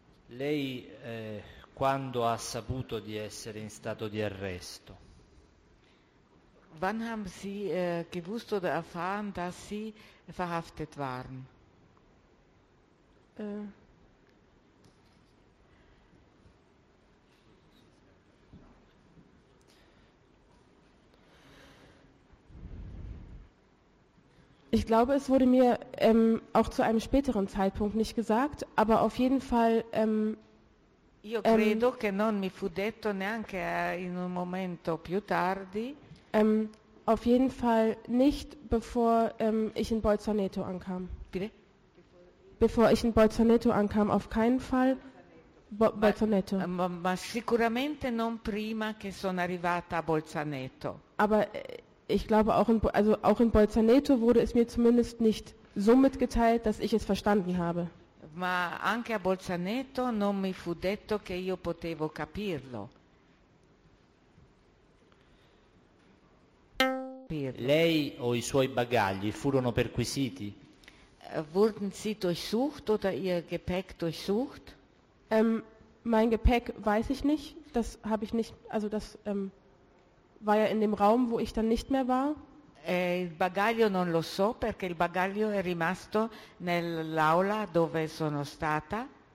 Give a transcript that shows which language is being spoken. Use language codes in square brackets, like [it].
[it] Lei quando ha saputo di essere in stato di arresto? [de] Wann haben Sie gewusst oder erfahren, dass Sie verhaftet waren? Ich glaube, es wurde mir auch zu einem späteren Zeitpunkt nicht gesagt, aber auf jeden Fall [it] Io credo che non mi fu detto neanche in un momento più tardi. [de] Auf jeden Fall nicht, bevor ich in Bolzaneto ankam. Bitte? Bevor ich in Bolzaneto ankam, auf keinen Fall. Bolzaneto. [it] Ma sicuramente non prima che sono arrivata a Bolzaneto. [de] Aber ich glaube, auch in Bolzaneto wurde es mir zumindest nicht so mitgeteilt, dass ich es verstanden habe. [it] Ma anche a Bolzaneto non mi fu detto che io potevo capirlo. Lei o i suoi bagagli furono perquisiti? [de] Wurden Sie durchsucht oder Ihr Gepäck durchsucht? Mein Gepäck weiß ich nicht. Das habe ich nicht. Also das war ja in dem Raum, wo ich dann nicht mehr war. [it] Il bagaglio non lo so, perché il bagaglio è rimasto nell'aula dove sono stata.